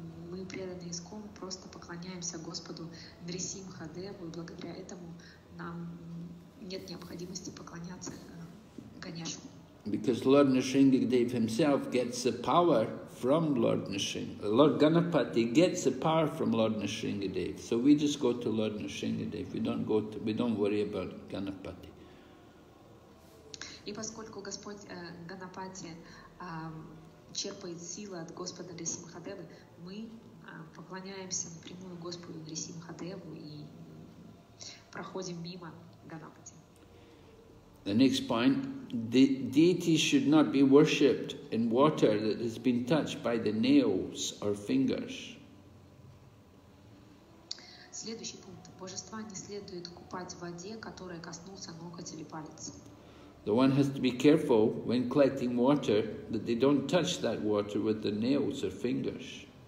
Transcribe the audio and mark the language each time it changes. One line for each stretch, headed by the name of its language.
Russian: Мы преданные ISKCON просто поклоняемся Господу Нрисимхадеву, и благодаря этому нам нет необходимости поклоняться Ганешу.
English: Because Lord Nrisimhadev himself gets the power from Lord Nrisimha. Lord Ganapati gets the power from Lord Nrisimhadev. So we just go to Lord Nrisimhadev. We don't worry about Ganapati.
Russian: И поскольку Господь Ганапати черпает силы от Господа Нрисимхадевы, мы поклоняемся напрямую Господу Нрисимхадеву и проходим мимо Ганапати.
English: The next point, the deity should not be worshipped in water that has been touched by the nails or fingers.
Russian: Следующий пункт. Божества не следует купать в воде, которая коснулся ноготь или палец.
English: The one has to be careful when collecting water that they don't touch that water with their nails or fingers.